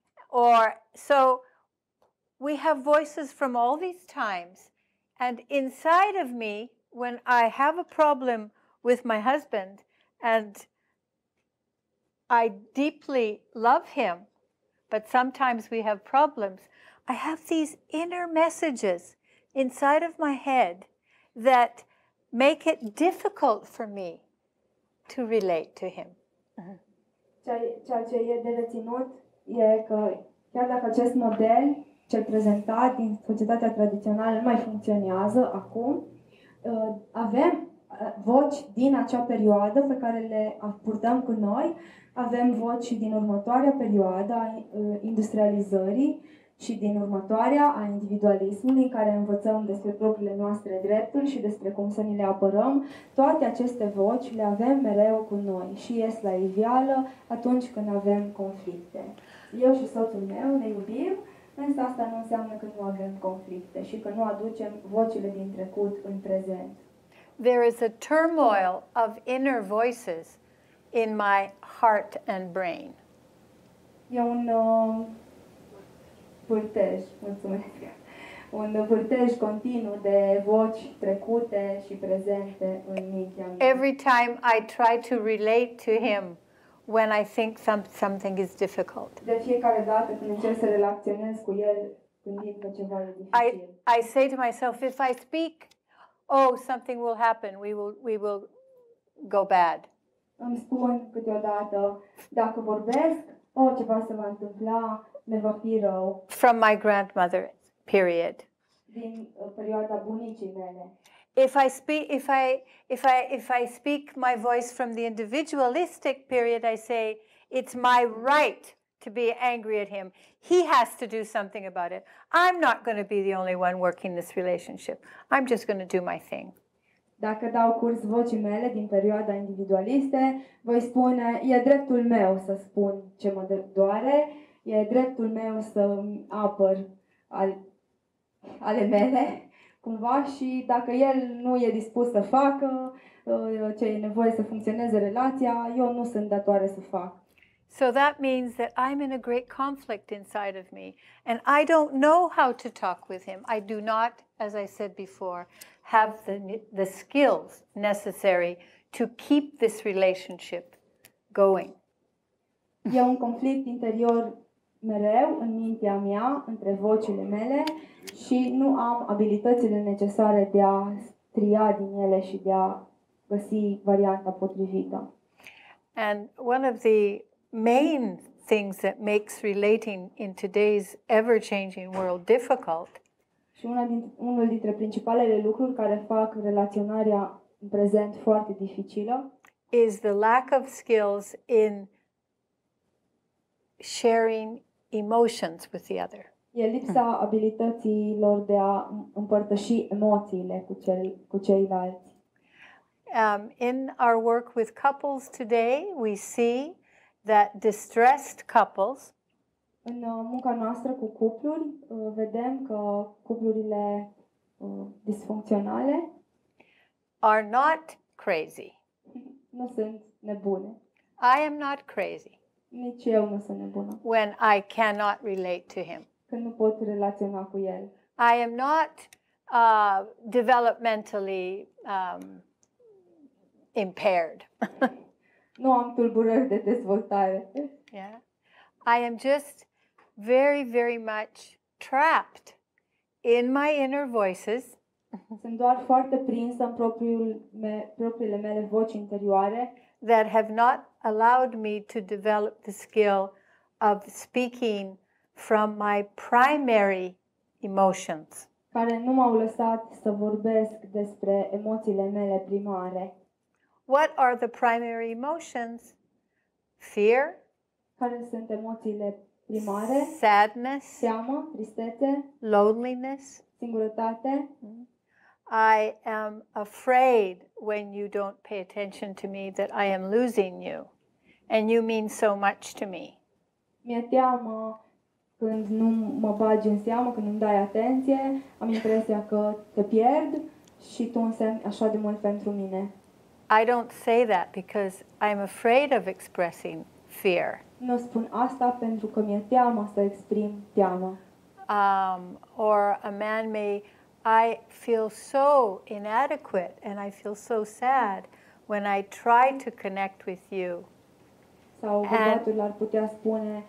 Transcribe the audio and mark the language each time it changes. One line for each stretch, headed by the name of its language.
English: Or so we have voices from all these times, and inside of me, when I have a problem with my husband and I deeply love him, but sometimes we have problems, I have these inner messages inside of my head that make it difficult for me to relate to him.
Romanian: Ceea ce e de reținut e că chiar dacă acest model ce prezentat din societatea tradițională nu mai funcționează acum, avem voci din acea perioadă pe care le purtăm cu noi, avem voci și din următoarea perioadă a industrializării și din următoarea a individualismului, în care învățăm despre propriile noastre drepturi și despre cum să ni le apărăm. Toate aceste voci le avem mereu cu noi și ies la iveală atunci când avem conflicte. Eu și soțul meu ne iubim, însă asta nu înseamnă că nu avem conflicte și că nu aducem vocile din trecut în prezent.
English: There is a turmoil of inner voices in my heart and brain.
Romanian: E un vârtej, mulțumesc. Un vârtej continuu de voci trecute și prezente în mintea mea.
English: Every time I try to relate to him when I think something is difficult.
Romanian: De fiecare dată când încerc să relaționez cu el când îmi este ceva dificil.
English: I say to myself, if I speak, oh, something will happen. We will go bad.
Romanian: Îmi spun câteodată, dacă vorbesc, oh, ceva se va întâmpla.
English: From my grandmother, period.
Romanian: Din perioada bunicii mele.
English: If I speak my voice from the individualistic period, I say it's my right to be angry at him. He has to do something about it. I'm not going to be the only one working this relationship. I'm just going to do my thing.
Romanian: Dacă dau curs vocii mele din perioada individualiste, voi spune, e dreptul meu să spun ce mă doare. E dreptul meu să apăr ale mele, cumva, și dacă el nu e dispus să facă ce e nevoie să funcționeze relația, eu nu sunt datoare să fac.
English: So that means that I'm in a great conflict inside of me and I don't know how to talk with him. I do not, as I said before, have the skills necessary to keep this relationship going.
Romanian: E un conflict interior mereu în mintea mea, între vocile mele și nu am abilitățile necesare de a tria din ele și de a găsi varianta potrivită.
English: And one of the main things that makes relating in today's ever-changing world difficult.
Romanian: Și unul dintre principalele lucruri care fac relaționarea în prezent foarte dificilă
English: is the lack of skills in sharing emotions with the other.
Romanian: E lipsa abilităților de a împărtăși emoțiile cu ceilalți.
English: In our work with couples today, we see that distressed couples.
Romanian: În munca noastră cu cupluri, vedem că cuplurile disfuncționale
English: are not crazy.
Romanian: Nu sunt nebune.
English: I am not crazy.
Romanian: Nici eu nu sunt nebună.
English: When I cannot relate to him.
Romanian: Când nu pot relaționa cu el.
English: I am not developmentally impaired.
Romanian: Nu am tulburări de dezvoltare.
English: Yeah. I am just very, very much trapped in my inner voices.
Romanian: Sunt doar foarte prinsă în propriile mele voci interioare.
English: That have not allowed me to develop the skill of speaking from my primary emotions.
Romanian: Care nu m-au lăsat să vorbesc despre emoțiile mele primare.
English: What are the primary emotions? Fear.
Romanian: Care sunt emoțiile primare?
English: Sadness.
Romanian: Teamă, tristețe.
English: Loneliness.
Romanian: singurătate.
English: I am afraid when you don't pay attention to me that I am losing you, and you mean so much to me.
Romanian: Mi-e teamă când nu mă bagi în seamă, când nu-mi dai atenție, am impresia că te pierd și tu însemni așa de mult pentru mine.
English: I don't say that because I'm afraid of expressing fear.
Romanian: Nu spun asta pentru că mi-e teamă să exprim teamă.
English: Or a man may, I feel so inadequate and I feel so sad when I try to connect with you.
Romanian: Sau bărbatul ar putea spune,